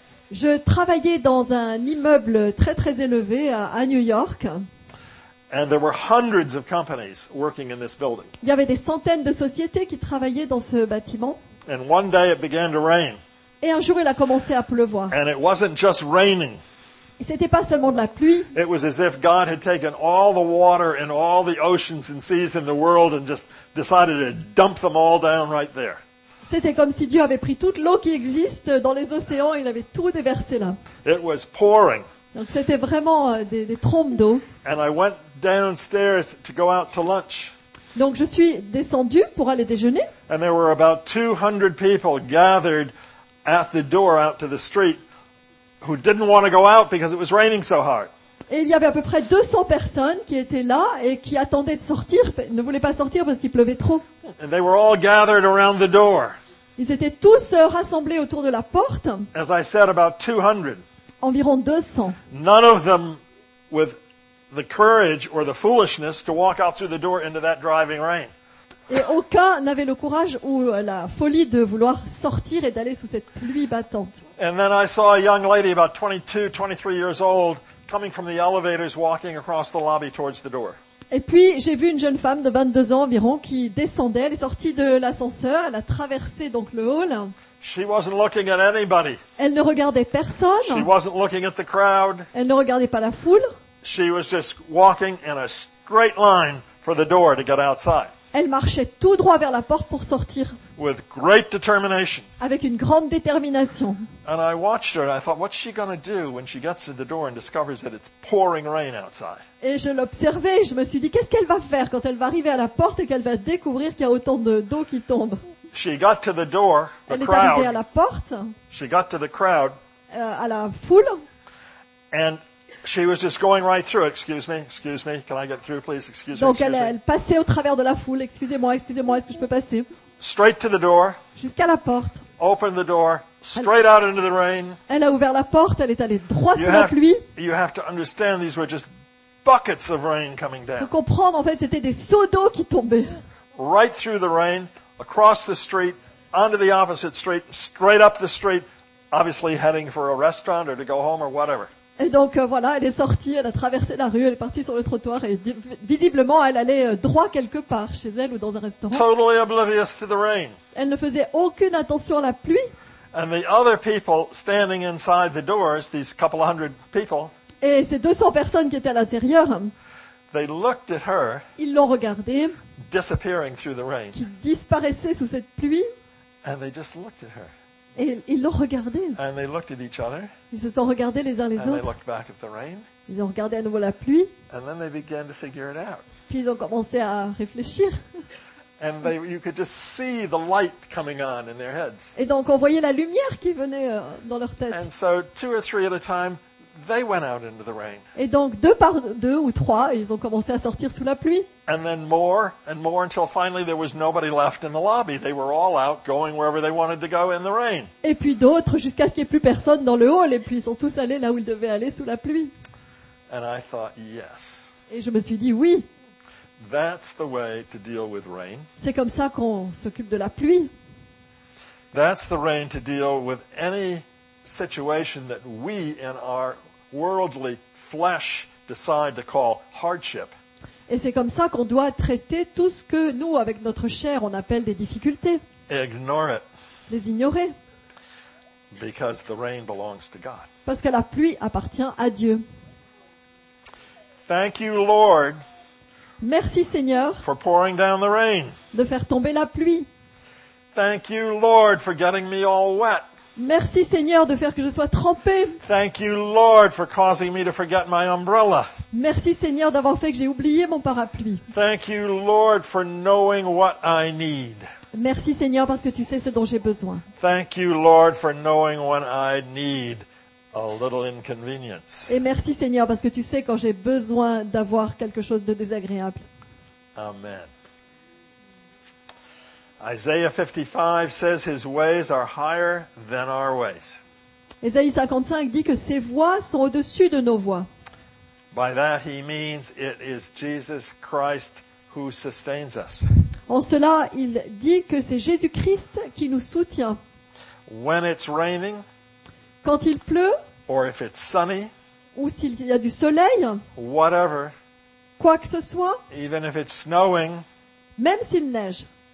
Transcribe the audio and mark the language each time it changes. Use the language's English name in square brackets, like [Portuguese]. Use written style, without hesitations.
[French] Je travaillais dans un immeuble très très élevé à New York. [English] And there were hundreds of companies working in this building. [French] Il y avait des centaines de sociétés qui travaillaient dans ce bâtiment. [English] And one day it began to rain. [French] Et un jour il a commencé à pleuvoir. [English] And it wasn't just raining. [French] Et c'était pas seulement de la pluie. [English] It was as if God had taken all the water in all the oceans and seas in the world and just decided to dump them all down right there. [French] C'était comme si Dieu avait pris toute l'eau qui existe dans les océans et il avait tout déversé là. [English] It was pouring. [French] Donc c'était vraiment des trombes d'eau. [English] And I went downstairs to go out to lunch. [French] Donc je suis descendue pour aller déjeuner. [English] And there were about 200 people gathered at the door out to the street who didn't want to go out because it was raining so hard. [French] Et il y avait à peu près 200 personnes qui étaient là et qui attendaient de sortir, ne voulaient pas sortir parce qu'il pleuvait trop. [English] And they were all gathered around the door. [French] Ils étaient tous rassemblés autour de la porte. [English] As I said, about 200. [French] Environ 200. [English] None of them with the courage or the foolishness to walk out through the door into that driving rain. [French] Et aucun n'avait le courage ou la folie de vouloir sortir et d'aller sous cette pluie battante. [English] And then I saw a young lady about 22, 23 years old coming from the elevators walking across the lobby towards the door. [French] Et puis j'ai vu une jeune femme de 22 ans environ qui descendait, elle est sortie de l'ascenseur, elle a traversé donc le hall. [English] She wasn't looking at anybody. [French] Elle ne regardait personne. [English] She wasn't looking at the crowd. [French] Elle ne regardait pas la foule. [English] She was just walking in a straight line for the door to get outside. [French] Elle marchait tout droit vers la porte pour sortir. [English] With great determination. [French] Avec une grande détermination. [English] And I watched her and I thought, what's she going to do when she gets to the door and discovers that it's pouring rain outside? [French] Et je l'observais, je me suis dit, qu'est-ce qu'elle va faire quand elle va arriver à la porte et qu'elle va découvrir qu'il y a autant d'eau qui tombe? [English] She got to the door, the [French] elle [English] crowd. [French] Est arrivée à la porte. [English] She got to the crowd. [French] À la foule. [English] And she was just going right through. Excuse me. Can I get through, please? Excuse me. [French] Donc elle passait au travers de la foule. Excusez-moi. Est-ce que je peux passer? [English] Straight to the door. [French] Jusqu'à la porte. [English] Open the door. Straight out into the rain. [French] Elle a ouvert la porte. Elle est allée droit sous la pluie. [English] You have to understand these were just buckets of rain coming down. [French] Pour comprendre, en fait, c'était des seaux d'eau qui tombaient. [English] Right through the rain, across the street, onto the opposite street, straight up the street, obviously heading for a restaurant or to go home or whatever. [French] Et donc voilà, elle est sortie, elle a traversé la rue, elle est partie sur le trottoir et visiblement, elle allait droit quelque part, chez elle ou dans un restaurant. [English] Totally oblivious to the rain. [French] Elle ne faisait aucune attention à la pluie. [English] And the other people standing inside the doors, these couple of hundred people. [French] Et ces 200 personnes qui étaient à l'intérieur. [English] They looked at her. [French] Ils l'ont regardée. [English] Disappearing through the rain. [French] Qui disparaissait sous cette pluie. [English] And they just looked at her. [French] Et ils l'ont regardée. [English] And they looked at each other. [French] Ils se sont regardés les uns les [English] and [French] autres. [English] They looked back at the rain. [French] Ils ont regardé à nouveau la pluie. [English] And then they began to figure it out. [French] Puis ils ont commencé à réfléchir. [English] And they, you could just see the light coming on in their heads. [French] Et donc on voyait la lumière qui venait dans leur tête. [English] And so two or three at a time, they went out into the rain. [French] Et donc deux par deux ou trois, ils ont commencé à sortir sous la pluie. [English] And then more and more until finally there was nobody left in the lobby. They were all out going wherever they wanted to go in the rain. [French] Et puis d'autres jusqu'à ce qu'il n'y ait plus personne dans le hall et puis ils sont tous allés là où ils devaient aller sous la pluie. [English] And I thought, yes. [French] Et je me suis dit oui. [English] That's the way to deal with rain. [French] C'est comme ça qu'on s'occupe de la pluie. [English] That's the rain to deal with any situation that we in our worldly flesh decide to call hardship. [French] Et c'est comme ça qu'on doit traiter tout ce que nous, avec notre chair, on appelle des difficultés. [English] Ignore it. [French] Les ignorer. [English] Because the rain belongs to God. [French] Parce que la pluie appartient à Dieu. [English] Thank you, Lord. [French] Merci, Seigneur. [English] For pouring down the rain. [French] De faire tomber la pluie. [English] Thank you, Lord, for getting me all wet. [French] Merci Seigneur de faire que je sois trempé. [English] Thank you Lord for causing me to forget my umbrella. [French] Merci Seigneur d'avoir fait que j'ai oublié mon parapluie. [English] Thank you Lord for knowing what I need. [French] Merci Seigneur parce que tu sais ce dont j'ai besoin. [English] Thank you Lord for knowing when I need a little inconvenience. [French] Et merci Seigneur parce que tu sais quand j'ai besoin d'avoir quelque chose de désagréable. [English] Amen. Isaiah 55 says his ways are higher than our ways. [French] Ésaïe 55 dit que ses voies sont au-dessus de nos voies. [English] By that he means it is Jesus Christ who sustains us. [French] En cela, il dit que c'est Jésus-Christ qui nous soutient. [English] When it's raining, [French] quand il pleut, [English] or if it's sunny, [French] ou s'il y a du soleil, [English] whatever, [French] quoi que ce soit, [English] even if it's snowing, [French] même s'il neige.